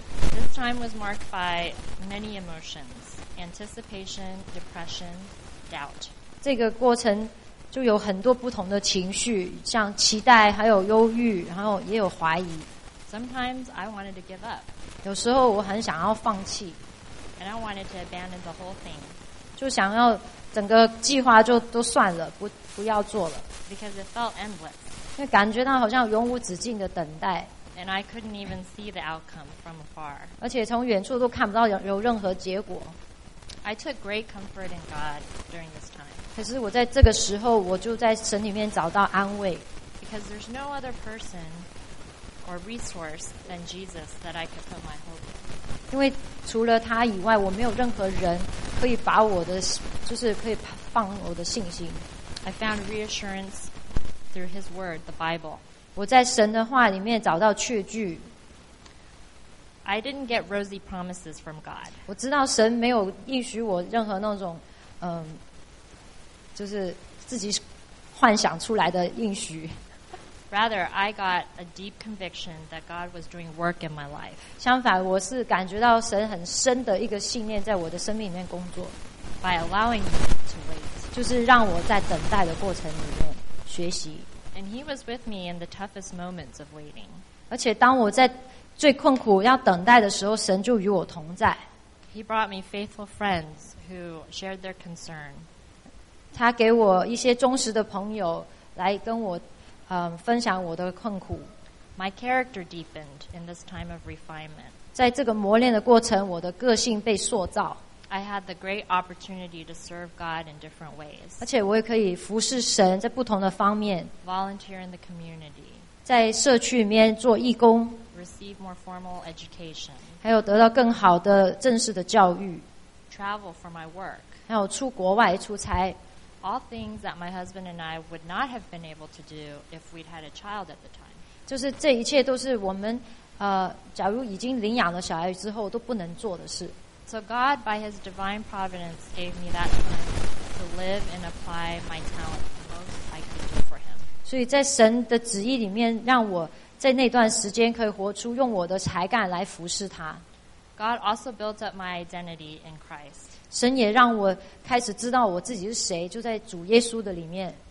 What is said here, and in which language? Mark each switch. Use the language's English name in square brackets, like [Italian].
[English] This time was marked by many emotions: anticipation, depression, doubt。 [Chinese] 这个过程就有很多不同的情绪，像期待，还有忧郁，然后也有怀疑。 [English] Sometimes I wanted to give up. [Chinese] 有时候我很想要放弃。 [English] And I wanted to abandon the whole thing. [Chinese] 就想要整个计划就都算了，不要做了。 [English] Because it felt endless. [Chinese] 因为感觉到好像永无止境的等待。 [English] And I couldn't even see the outcome from afar. [Chinese] 而且从远处都看不到有任何结果。 [English] I took great comfort in God during this time. [Chinese] 可是我在这个时候，我就在神里面找到安慰。 [English] Because there's no other person. Or resource than Jesus that I could put my hope in. [Chinese] 因为除了他以外，我没有任何人可以把我的就是可以放我的信心。 [English] I found reassurance through His Word, the Bible. [Chinese] 我在神的话里面找到确据。 [English] I didn't get rosy promises from God. [Chinese] 我知道神没有应许我任何那种就是自己幻想出来的应许。 [English] Rather, I got a deep conviction that God was doing work in my life. [Chinese] 相反，我是感觉到神很深的一个信念在我的生命里面工作。 [English] By allowing me to wait. [Chinese] 就是让我在等待的过程里面学习。 [English] And he was with me in the toughest moments of waiting. [Chinese] 而且当我在最困苦要等待的时候，神就与我同在。 [English] He brought me faithful friends who shared their concern. [Chinese] 他给我一些忠实的朋友来跟我分享我的困苦。 [English] My character deepened in this time of refinement. [Chinese] 在这个磨练的过程，我的个性被塑造。 [English] I had the great opportunity to serve God in different ways. [Chinese] 而且我也可以服侍神在不同的方面。 [English] Volunteer in the community. [Chinese] 在社区里面做义工。 [English] Receive more formal education. [Chinese] 还有得到更好的正式的教育。 [English] Travel for my work. [Chinese] 还有出国外出差。 [English] All things that my husband and I would not have been able to do if we'd had a child at the time. [Chinese] 就是这一切都是我们假如已经领养了小孩之后都不能做的事。 [English] So God, by His divine providence, gave me that time to live and apply my talent the most I could do for Him. [Chinese] 所以在神的旨意里面，让我在那段时间可以活出用我的才干来服侍他。 [English] God also built up my identity in Christ. [Chinese] 神也让我开始知道我自己是谁，就在主耶稣的里面。